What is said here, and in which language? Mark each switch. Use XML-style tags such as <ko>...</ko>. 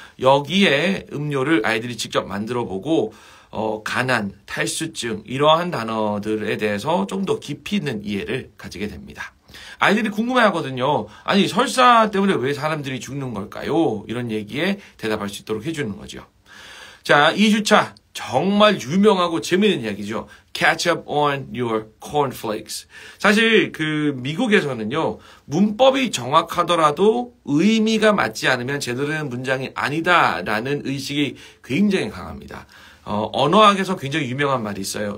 <ko>여기에 음료를 아이들이 직접 만들어 보고 가난, 탈수증 이러한 단어들에 대해서 좀 더 깊이 있는 이해를 가지게 됩니다. 아이들이 궁금해하거든요. 아니, 설사 때문에 왜 사람들이 죽는 걸까요? 이런 얘기에 대답할 수 있도록 해주는 거죠. 자, 2주차 정말 유명하고 재미있는 이야기죠.</ko> <en>Catch up on your cornflakes.</en> <ko>사실 그 미국에서는요, 문법이 정확하더라도 의미가 맞지 않으면 제대로 된 문장이 아니다라는 의식이 굉장히 강합니다. 언어학에서 굉장히 유명한 말이 있어요.</ko>